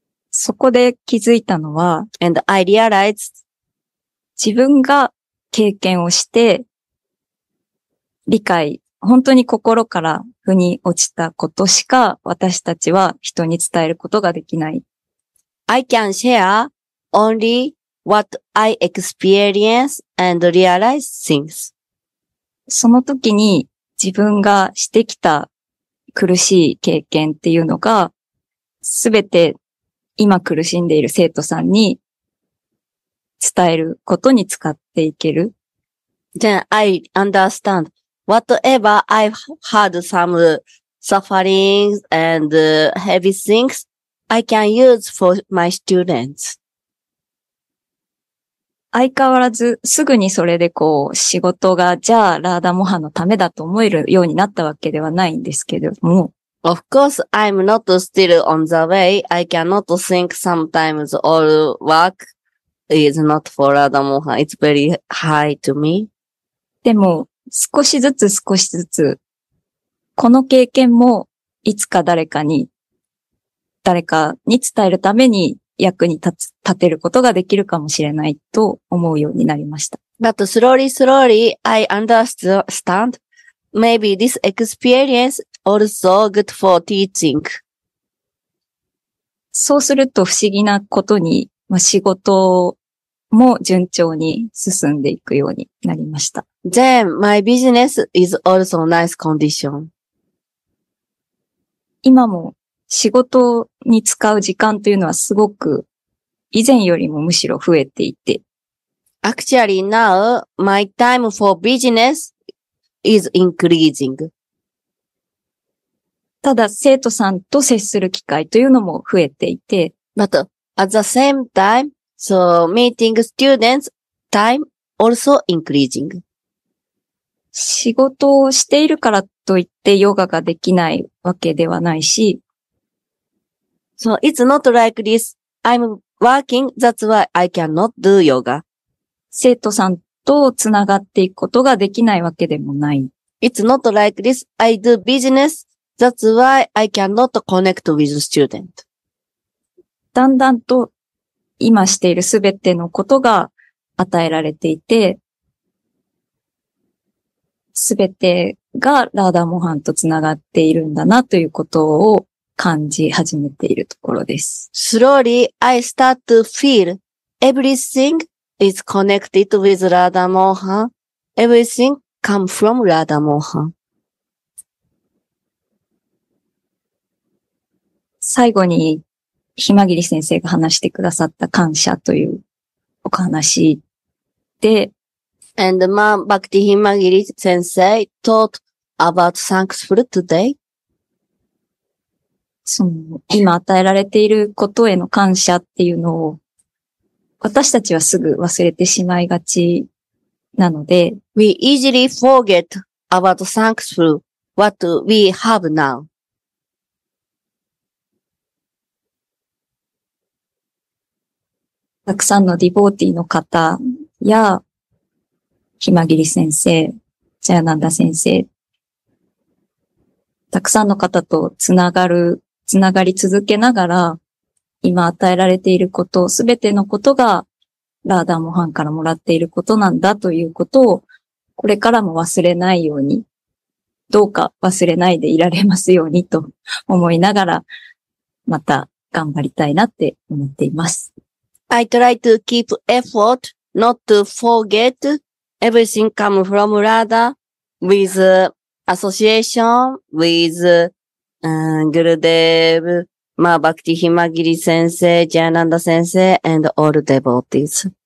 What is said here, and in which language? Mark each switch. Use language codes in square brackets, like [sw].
[ja] そこで気づいたのは、 [en] And I realized, [ja] 自分が経験をして、理解、本当に心から腑に落ちたことしか私たちは人に伝えることができない。 [en] I can share only what I experience and realize things. [ja] その時に、自分がしてきた苦しい経験っていうのが、すべて今苦しんでいる生徒さんに伝えることに使っていける。 [en] Then I understand whatever I've had some sufferings and heavy things, I can use for my students. [ja] 相変わらずすぐにそれでこう仕事がじゃあラーダモハのためだと思えるようになったわけではないんですけども。 [en] Of course, I'm not still on the way. I cannot think sometimes all work is not for ラーダモハ. It's very high to me. [ja] でも少しずつ少しずつこの経験もいつか誰かに伝えるために役に立てることができるかもしれないと思うようになりました。 [en] But slowly, slowly, I understand. Maybe this experience also good for teaching. [ja] そうすると不思議なことに、まあ、仕事も順調に進んでいくようになりました。 [en] Then my business is also nice condition. [ja] 今も仕事に使う時間というのはすごく以前よりもむしろ増えていて。 [en] Actually now, my time for business is increasing. [ja] ただ生徒さんと接する機会というのも増えていて。 [en] But at the same time, so meeting students time also increasing. [ja] 仕事をしているからといってヨガができないわけではないし、 [en] So it's not like this. I'm working. That's why I cannot do yoga. [ja] 生徒さんとつながっていくことができないわけでもない。 [en] It's not like this. I do business. That's why I cannot connect with student. [ja] だんだんと今しているすべてのことが与えられていて、すべてがラーダモハンとつながっているんだなということを感じ始めているところです。 [en] Slowly, I start to feel everything is connected with Radha Mohan. Everything come from Radha Mohan. [ja] 最後に、ひまぎり先生が話してくださった感謝というお話で、 [en] And Mom Bhakti Himagiri 先生 taught about thankful today. [ja] その今与えられていることへの感謝っていうのを私たちはすぐ忘れてしまいがちなので [en] We easily forget about thankful what we have now. [ja] たくさんのディボーティーの方や、ひまぎり先生、ジャヤナンダ先生、たくさんの方とつながり続けながら、今与えられていること、すべてのことが、ラーダモハンからもらっていることなんだということを、これからも忘れないように、どうか忘れないでいられますようにと思いながら、また頑張りたいなって思っています。 [en] I try to keep effort not to forget everything come from Radha with association with Gurudev, Bhakti Himagiri 先生、Jayananda 先生 and all devotees.